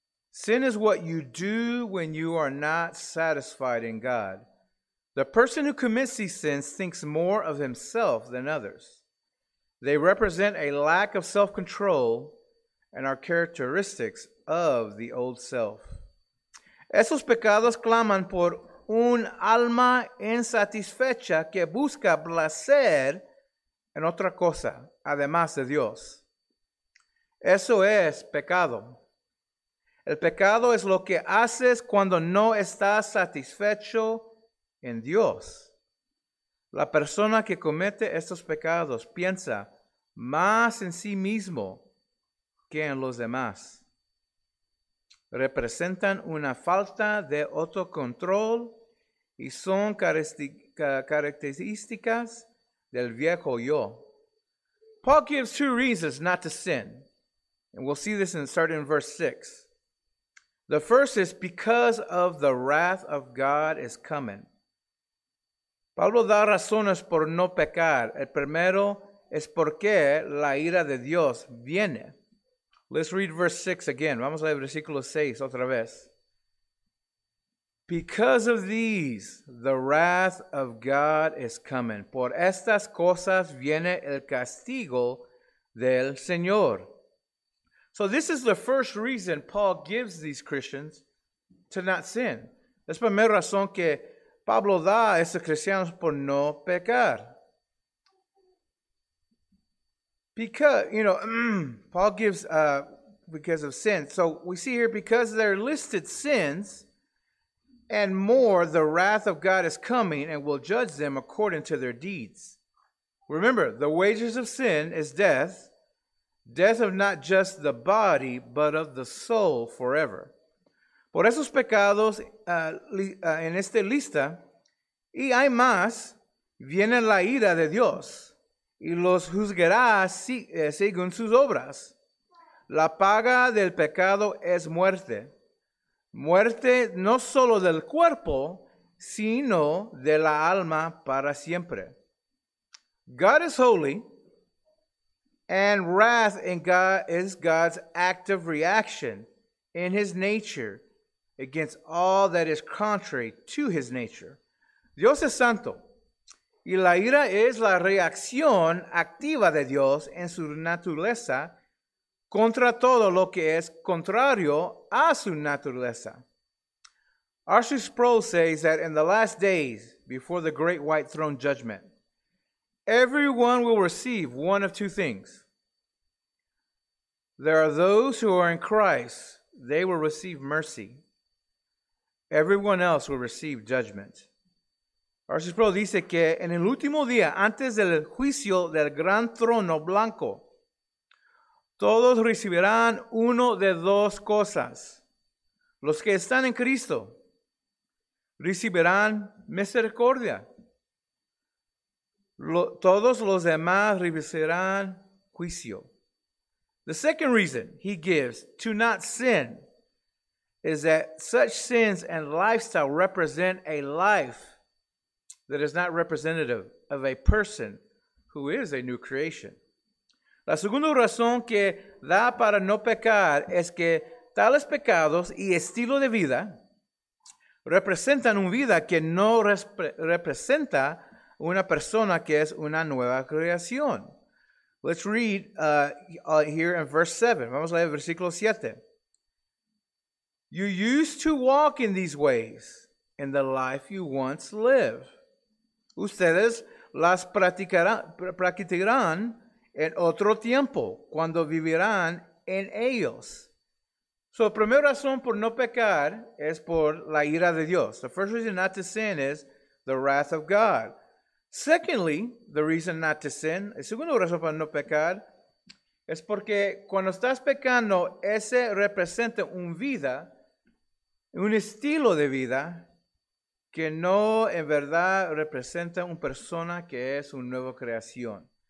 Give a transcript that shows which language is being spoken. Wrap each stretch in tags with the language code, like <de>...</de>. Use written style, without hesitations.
<en>Sin is what you do when you are not satisfied in God. The person who commits these sins thinks more of himself than others. They represent a lack of self-control and are characteristics of the old self.</en> <es>Esos pecados claman por un alma insatisfecha que busca placer en otra cosa, además de Dios. Eso es pecado. El pecado es lo que haces cuando no estás satisfecho en Dios. La persona que comete estos pecados piensa más en sí mismo que en los demás. Representan una falta de autocontrol y son características del viejo yo.</es> <en>Paul gives two reasons not to sin. And we'll see this in starting in verse 6. The first is because of the wrath of God is coming.</en> <es>Pablo da razones por no pecar. El primero es porque la ira de Dios viene.</es> <en>Let's read verse 6 again.</en> <es>Vamos a leer versículo 6 otra vez.</es> <en>Because of these, the wrath of God is coming.</en> <es>Por estas cosas viene el castigo del Señor.</es> <en>So this is the first reason Paul gives these Christians to not sin.</en> <es>Es la primera razón que Pablo da a estos cristianos por no pecar.</es> <en>Because, you know, Paul gives because of sin. So we see here, because they're listed sins and more, the wrath of God is coming and will judge them according to their deeds. Remember, the wages of sin is death. Death of not just the body, but of the soul forever.</en> <es>Por esos pecados en esta lista, y hay más, viene la ira de Dios. Y los juzgará según sus obras. La paga del pecado es muerte. Muerte no solo del cuerpo, sino de la alma para siempre.</es> <en>God is holy, and wrath in God is God's active reaction in his nature against all that is contrary to his nature.</en> <es>Dios es santo. Y la ira es la reacción activa de Dios en su naturaleza contra todo lo que es contrario a su naturaleza.</es> <en>Arthur Sproul says that in the last days, before the great white throne judgment, everyone will receive one of two things. There are those who are in Christ, they will receive mercy. Everyone else will receive judgment.</en> <es>Arthur Sproul dice que en el último día, antes del juicio del gran trono blanco, todos recibirán uno de dos cosas. Los que están en Cristo recibirán misericordia. Todos los demás recibirán juicio.</es> <en>The second reason he gives to not sin is that such sins and lifestyle represent a life that is not representative of a person who is a new creation.</en> <es>La segunda razón que da para no pecar es que tales pecados y estilo de vida representan una vida que no representa una persona que es una nueva creación.</es> <en>Let's read here in verse 7.</en> <es>Vamos a leer el versículo 7.</es> <en>You used to walk in these ways in the life you once lived.</en> <es>Ustedes las practicarán en otro tiempo, cuando vivirán en ellos. So, la primera razón por no pecar es por la ira de Dios.</es> <en>The first reason not to sin is the wrath of God. Secondly, the reason not to sin,</en> <es>la segunda razón para no pecar, es porque cuando estás pecando, ese representa una vida, un estilo de vida, que no en verdad representa una persona que es una nueva creación.</es>